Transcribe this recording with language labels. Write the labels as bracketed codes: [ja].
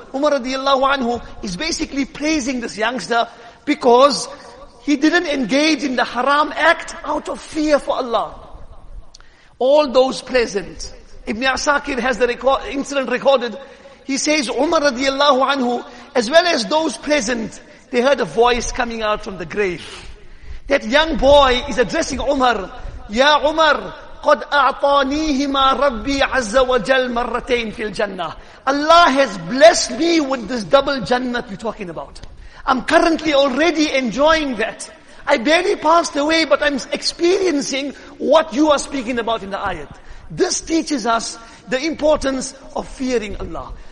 [en] Umar radiallahu anhu is basically praising this youngster because he didn't engage in the haram act out of fear for Allah. All those present. Ibn Asakir has the incident recorded. He says, Umar radiallahu anhu, as well as those present, they heard a voice coming out from the grave. That young boy is addressing Umar. [ar] Ya Umar, قَدْ أَعْطَانِيهِمَا رَبِّي عَزَّ وَجَلْ مَرَّتَيْنْ فِي الْجَنَّةِ. [en] Allah has blessed me with this double jannah you're talking about. I'm currently already enjoying that. I barely passed away, but I'm experiencing what you are speaking about in the ayat. This teaches us the importance of fearing Allah.